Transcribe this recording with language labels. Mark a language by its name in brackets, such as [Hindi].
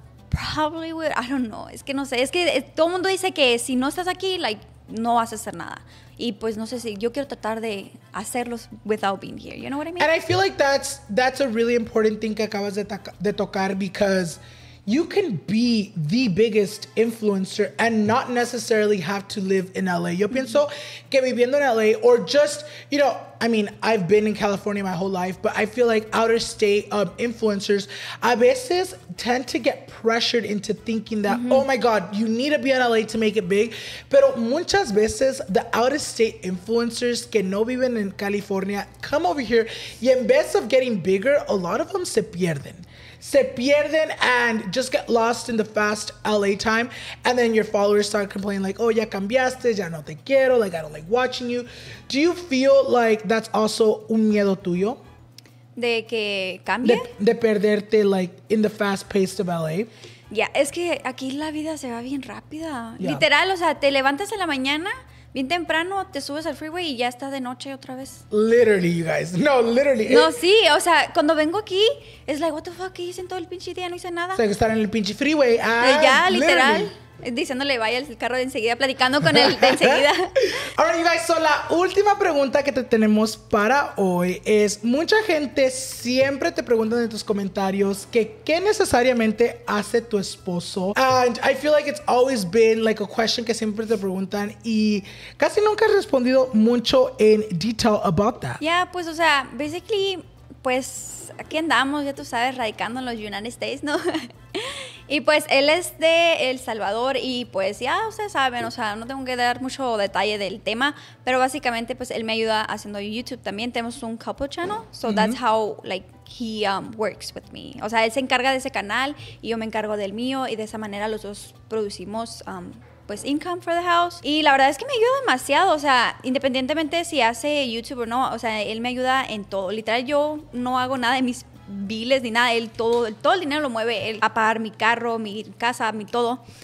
[English] probably would. I don't know. [Spanish] Es que no sé. Es que todo mundo dice que si no estás aquí, like, no vas a hacer nada. Y pues no sé si yo quiero tratar de hacerlos [English] without being here. You know what I mean? And I feel like that's a really important thing [Spanish] que acabas de tocar, [English] because you can be the biggest influencer and not necessarily have to live in LA. [Spanish] Yo pienso que viviendo en LA, [English] or just, you know, I mean, I've been in California my whole life, but I feel like outer state influencers [Spanish] a veces [English] tend to get pressured into thinking that, mm-hmm. oh my God, you need to be in LA to make it big. [Spanish] Pero muchas veces [English] the out of state influencers [Spanish] que no viven [English] in California come over here, [Spanish] y en vez [English] of getting bigger, a lot of them [Spanish] se pierden [English] and just get lost in the fast LA time, and then your followers start complaining like, oh, [Spanish] ya cambiaste, ya no te quiero, [English] like, I don't like watching you. Do you feel like that's also [Spanish] un miedo tuyo? ¿De que cambie? De perderte, like, [English] in the fast pace of LA. [Spanish] Yeah, es que aquí la vida se va bien rápida. Yeah. Literal, o sea, te levantas en la mañana, bien temprano, te subes al freeway y ya está de noche otra vez. [English] Literally, you guys. No, literally. [Spanish] No, sí. O sea, cuando vengo aquí, es like, [English] what the fuck, [Spanish] ¿qué hice en todo el pinche día? No hice nada. O sea, que estar en el pinche freeway. Ah, ya, literal. Literally. Diciéndole, vaya al carro de enseguida, platicando con él de enseguida. [English] All right, you guys. [Spanish] So, la última pregunta que te tenemos para hoy es, mucha gente siempre te pregunta en tus comentarios que qué necesariamente hace tu esposo. [English] And I feel like it's always been like a question [Spanish] que siempre te preguntan, y casi nunca has respondido mucho [English] en detail about that. [Spanish] Yeah, pues, o sea, basically, pues, aquí andamos, ya tú sabes, radicando en los United States, ¿no? Y pues él es de El Salvador, y pues ya ustedes saben, o sea, no tengo que dar mucho detalle del tema, pero básicamente pues él me ayuda haciendo YouTube también. Tenemos un [English] couple channel, so mm-hmm. that's how, like, he works with me. [Spanish] O sea, él se encarga de ese canal y yo me encargo del mío, y de esa manera los dos producimos pues [English] income for the house. [Spanish] Y la verdad es que me ayuda demasiado, o sea, independientemente si hace YouTube o no, o sea, él me ayuda en todo. Literal, yo no hago nada de mis biles ni nada, él todo el dinero lo mueve él, a pagar mi carro, mi casa, mi todo.